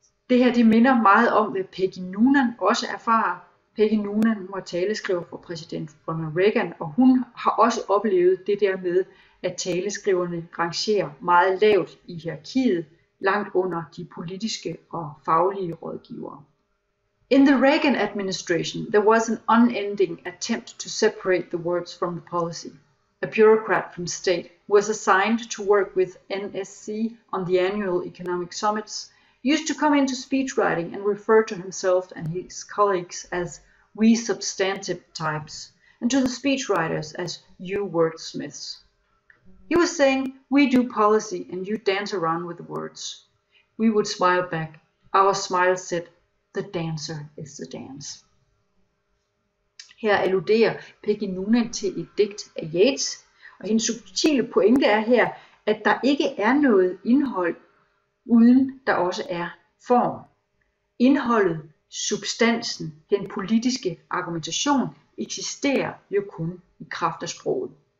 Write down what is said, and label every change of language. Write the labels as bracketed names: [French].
[Danish] Det her det minder meget om, hvad Peggy Noonan også erfarer. Peggy Noonan var taleskriver for præsident Ronald Reagan, og hun har også oplevet det der med, at taleskriverne rangerer meget lavt i hierarkiet, langt under de politiske og faglige rådgivere. [English] In the Reagan administration, there was an unending attempt to separate the words from the policy. A bureaucrat from state was assigned to work with NSC on the annual economic summits, used to come into speech writing and refer to himself and his colleagues as we substantive types, and to the speech writers as you wordsmiths. He was saying, we do policy and you dance around with the words. We would smile back. Our smile said, the dancer is the dance. [Danish] Her alluderer Peggy Noonan til et digt af Yeats, og hendes subtile pointe er her, at der ikke er noget indhold, uden der også er form. Indholdet, substansen, den politiske argumentation, eksisterer jo kun i kraft af sproget.